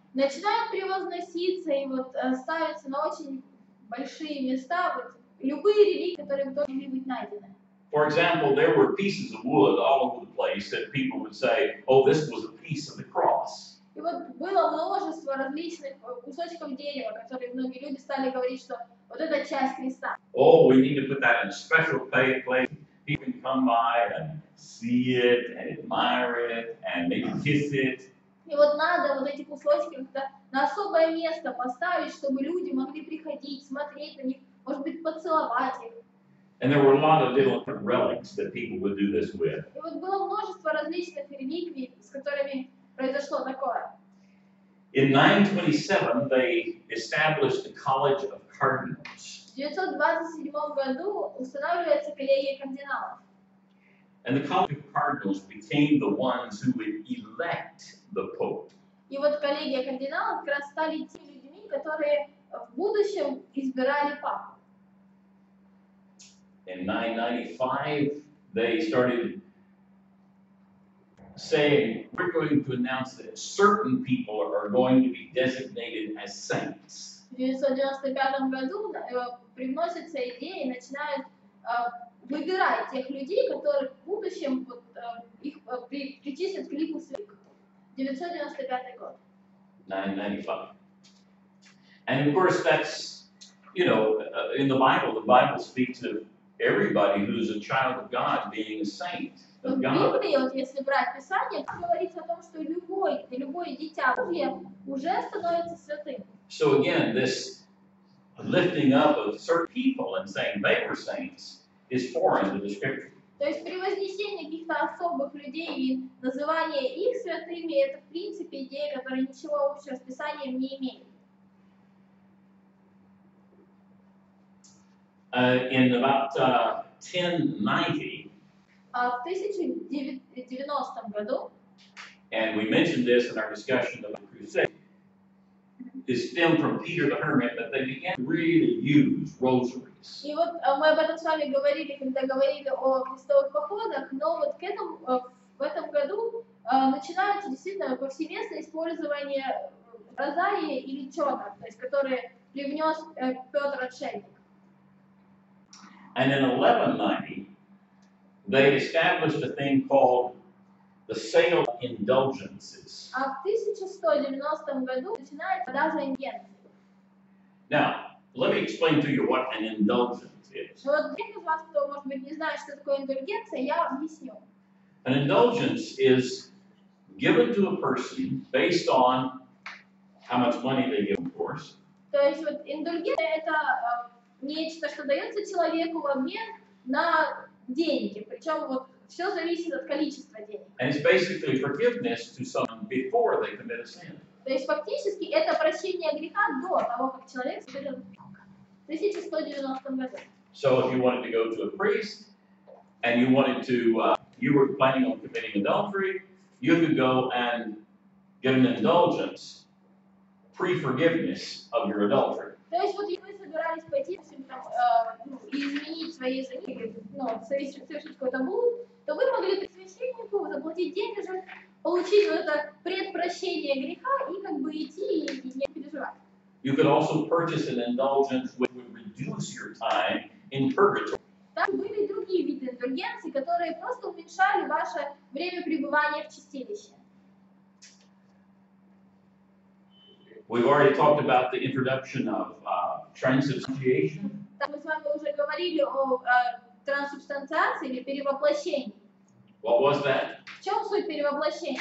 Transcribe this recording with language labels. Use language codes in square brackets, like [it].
[ru] Начинают превозноситься и вот ставятся на очень большие места вот любые реликвии, которые могли быть найдены. [en] For example, there were pieces of wood all over the place that people would say, "Oh, this was a piece of the cross." [ru] И вот было множество различных кусочков дерева, которые многие люди стали говорить, что вот это часть креста. [en] Oh, we need to put that in a special place. People can come by and see it and admire it and maybe kiss it. [ru] И вот надо вот эти кусочки на особое место поставить, чтобы люди могли приходить, смотреть на них, может быть, поцеловать их. [en] And there were a lot of different relics that people would do this with. [ru] И вот было множество различных реликвий, с которыми произошло такое. [en] In 927, they established the College of Cardinals. [ru] В 927 году устанавливается коллегия кардиналов. [en] And the College of Cardinals became the ones who would elect the Pope. [ru] И вот коллегия кардиналов как раз стали теми людьми, которые в будущем избирали папу. [en] In 995, they started saying, we're going to announce that certain people are going to be designated as saints. [ru] В 995 году приносится идея и начинают выбирать тех людей, которых будущем вот, их причислят к лику святых. 995 год. 995. [en] And of course that's, you know, in the Bible speaks of everybody who's a child of God being a saint of God. [ru] Библии, если брать Писание, говорится о том, что любое дитя Божье уже становится святым. [en] So again, this lifting up of certain people and saying they were saints is foreign to the scripture. [ru] То есть превознесение каких-то особых людей и называние их святыми — это, в принципе, идея, которая ничего общего с Писанием не имеет. [en] In about 1090. [ru] В 1090 году. [en] And we mentioned this in our discussion of the Crusade. This stemmed from Peter the Hermit, but they began to really use rosaries. [ru] И вот мы об этом с вами говорили, когда говорили о крестовых походах, но вот к этому в этом году начинается действительно повсеместное использование розария или чёна, то есть которые привнёс Пётр Отшельник. [en] And in 1190, they established a thing called the sale of indulgences. [ru] А в 1190 году начинается продажа индульгенций. [en] Now, let me explain to you what an indulgence is. [ru] Вот для тех из вас, кто, может быть, не знает, что такое индульгенция, я объясню. [en] An indulgence is given to a person based on how much money they give, of course. [ru] То есть вот индульгенция — это нечто, что дается человеку в обмен на деньги. Причем вот все зависит от количества денег. [en] And it's basically forgiveness to someone before they commit a sin. [ru] То есть фактически это прощение греха до того, как человек совершил грех. 1190 году. [en] So if you wanted to go to a priest and you wanted to, you were planning on committing adultery, you could go and get an indulgence, pre-forgiveness of your adultery. [ru] То есть вот если вы собирались пойти, допустим, там, изменить свои заниги, ну, совершить какой-то блуд, то вы могли при священнику заплатить деньги же, получить вот это предпрощение греха и как бы идти и не переживать. [en] You could also purchase an indulgence which would reduce your time in purgatory. [ru] Там были другие виды индульгенций, которые просто уменьшали ваше время пребывания в чистилище. [en] We've already talked about the introduction of transubstantiation. [ru] Мы с вами уже говорили о трансубстанциации или перевоплощении. [en] What was that? [ru] В чем суть перевоплощения?